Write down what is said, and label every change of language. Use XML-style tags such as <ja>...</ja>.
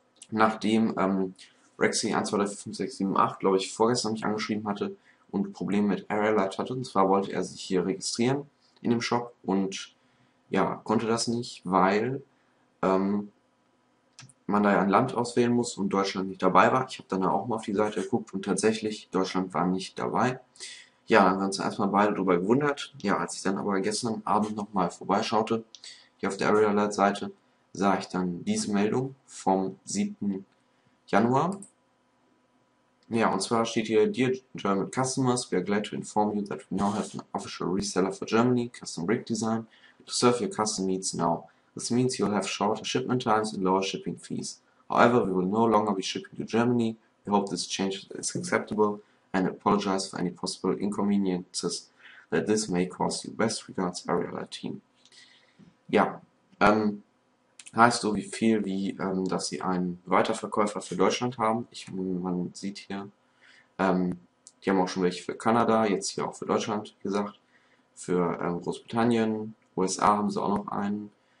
<de>Nachdem Rexy 1, 2, 3, 4, 5, 6, 7, 8, glaube ich, vorgestern mich angeschrieben hatte und Probleme mit Area Light hatte. Und zwar wollte er sich hier registrieren in dem Shop und ja, konnte das nicht, weil man da ja ein Land auswählen muss und Deutschland nicht dabei war. Ich habe dann auch mal auf die Seite geguckt und tatsächlich, Deutschland war nicht dabei. Ja, dann haben wir uns erstmal beide darüber gewundert. Ja, als ich dann aber gestern Abend nochmal vorbeischaute, hier auf der Area Light-Seite, sah ich dann diese Meldung vom 7. Januar. Ja, und zwar steht hier:</de> <en>Dear German customers, we are glad to inform you that we now have an official reseller for Germany, Custom Brick Design, to serve your custom needs now. This means you'll have shorter shipment times and lower shipping fees. However, we will no longer be shipping to Germany. We hope this change is acceptable and apologize for any possible inconveniences that this may cause you. Best regards, Area Light Team.</en> <de>Ja, heißt so, wie viel, dass sie einen Weiterverkäufer für Deutschland haben. Man sieht hier, die haben auch schon welche für Kanada, jetzt hier auch für Deutschland, wie gesagt. Für Großbritannien, USA haben sie auch noch einen.</de>